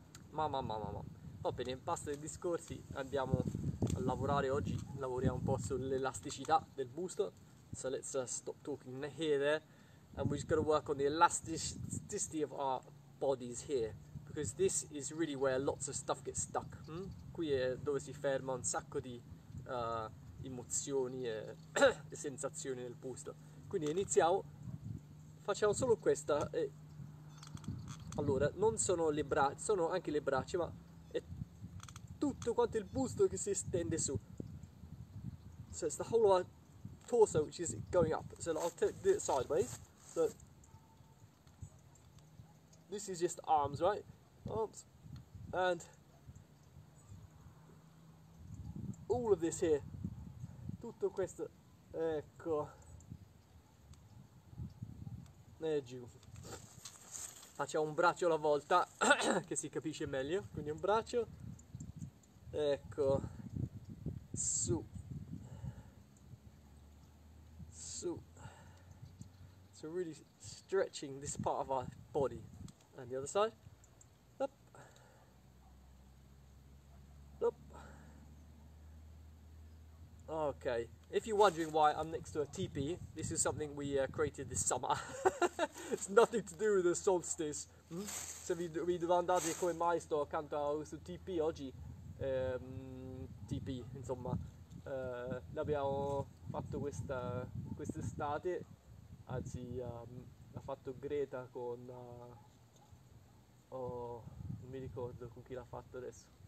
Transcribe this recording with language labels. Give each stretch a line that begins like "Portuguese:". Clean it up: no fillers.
Italian: Ma. Va bene, basta i discorsi, andiamo a lavorare oggi. Lavoriamo un po' sull'elasticità del busto.
English: So let's stop talking here there, and we're just gonna work on the elasticity of our bodies here, because this is really where lots of stuff gets stuck.
Italian: Qui è dove si ferma un sacco di emozioni e sensazioni nel busto. Quindi iniziamo. Facciamo solo questa. Allora, non sono le braccia, sono anche le braccia, ma è tutto quanto il busto che si estende su.
English: So it's the whole of our torso which is going up. So I'll do it sideways. So this is just arms, right? Arms. And all of this here.
Italian: Tutto questo. Ecco. E giù. Facciamo un braccio alla volta che si capisce meglio. Quindi un braccio, ecco, su, su.
English: So really stretching this part of our body. And the other side, okay. If you're wondering why I'm next to a teepee, this is something we created this summer. nothing to do with the solstice.
Italian: Se vi domandate come mai sto accanto su TP oggi, TP, insomma, l'abbiamo fatto quest'estate, anzi, l'ha fatto Greta con, oh, non mi ricordo con chi l'ha fatto adesso.